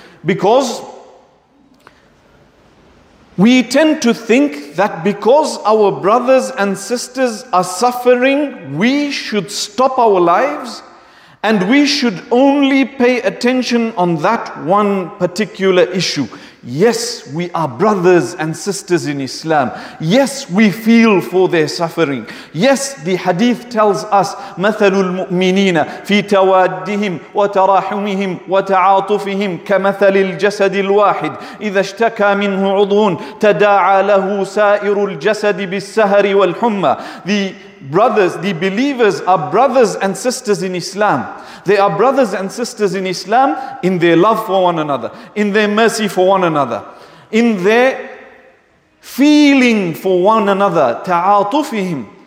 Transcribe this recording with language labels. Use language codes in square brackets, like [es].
[en] Because we tend to think that because our brothers and sisters are suffering, we should stop our lives. And we should only pay attention on that one particular issue. Yes, we are brothers and sisters in Islam. Yes, we feel for their suffering. Yes, the hadith tells us, [ar] مَثَلُ الْمُؤْمِنِينَ فِي تَوَادِّهِمْ وَتَرَاحُمِهِمْ وَتَعَاطُفِهِمْ كَمَثَلِ الْجَسَدِ الْوَاحِدِ إِذَا اشْتَكَى مِنْهُ عُضُونَ تَدَاعَى لَهُ سَائِرُ الْجَسَدِ بِالسَّهَرِ وَالْحُمَّى. [en] The brothers, the believers are brothers and sisters in Islam. They are brothers and sisters in Islam in their love for one another, in their mercy for one another, in their feeling for one another. [ar] تَعَاطُفِهِمْ.